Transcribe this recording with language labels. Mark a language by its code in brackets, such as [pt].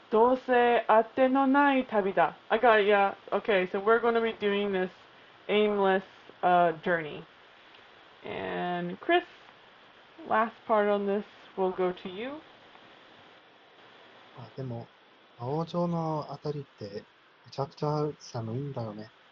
[ja] どうせあてのない旅だ。 [en] I got it, yeah. Okay, so we're going to be doing this aimless journey. And Chris, last part on this will go to you. [ja] でも、魔王町のあたりってめちゃくちゃ寒いんだよね。